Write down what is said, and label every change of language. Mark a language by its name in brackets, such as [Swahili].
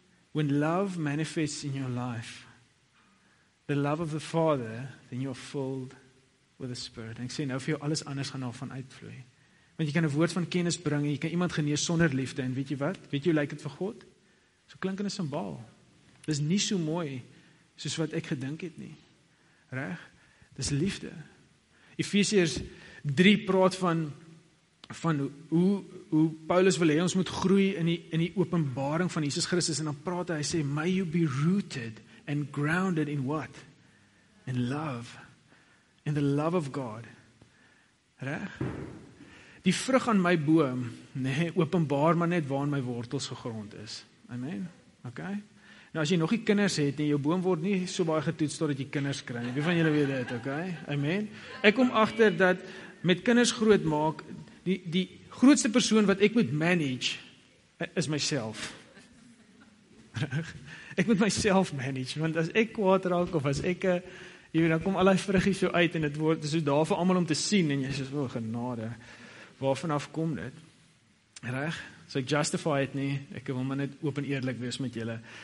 [English] When love manifests in your life, the love of the Father, then you are filled with the Spirit. [Afrikaans] En ek sê nou vir jou, alles anders gaan daarvan uitvloei. Want jy kan 'n woord van kennis bring en jy kan iemand genees sonder liefde. En weet jy wat? Weet jy hoe lyk dit vir God? So klink in 'n simbool. Dis nie so mooi soos wat ek gedink het nie. Reg? Dis liefde. Efesiërs 3 praat van hoe Paulus wil hê ons moet groei in die openbaring van Jesus Christus. En dan praat hy sê, [English] may you be rooted and grounded in what? In love. In the love of God. Reg? [Afrikaans] Die vrug aan my boom, nee, openbaar maar net waar my wortels gegrond is. Amen? Ok? Nou, as jy nog nie kinders het, nie, jou boom word nie so baie getoets totdat jy kinders kry. Wie van julle weet dit, ok? Amen? Ek kom achter dat met kinders groot maak, die grootste persoon wat ek moet manage, is myself. Ek moet myself manage, want as ek kwaad raak, of as ek, jy weet, dan kom al die vruggies so uit, en het word so daar vir allemaal om te sien, en jy sê, oh, genade, waarvan af kom dit? Reg? So ek justify het nie, ek wil maar net open eerlik wees met julle.